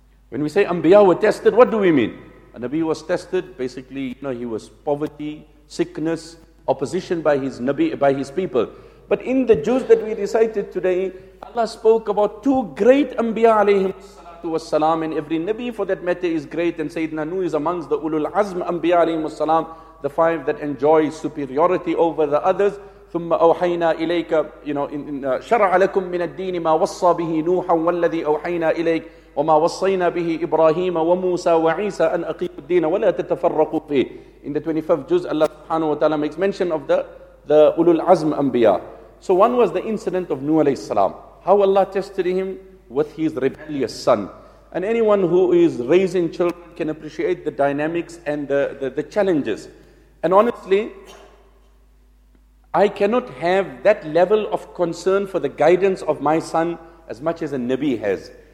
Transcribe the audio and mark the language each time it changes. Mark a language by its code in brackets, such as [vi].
[en] When we say Anbiya were tested, what do we mean? A Nabi was tested, basically, you know, he was poverty, sickness, opposition by his Nabi, by his people. But in the juz that we recited today, Allah spoke about two great Anbiya alayhim salatu was salam, and every Nabi for that matter is great, and Sayyidina Nuh is amongst the Ulul Azm Anbiya alayhim was salam, the five that enjoy superiority over the others. [ar] ثم أوحينا إليك, [en] you know, in [ar] شرع لكم من الدين ما وصى به نوحا والذي أوحينا إليك وما وصينا به إبراهيم وموسى وعيسى أن أقيم الدين ولا تتفرقوا فيه. [en] In the 25th juz, Allah subhanahu wa ta'ala makes mention of the Ulul Azm Anbiya. So one was the incident of Nuh alayhi salam, how Allah tested him with his rebellious son. And anyone who is raising children can appreciate the dynamics and the challenges. And honestly, I cannot have that level of concern for the guidance of my son as much as a Nabi has.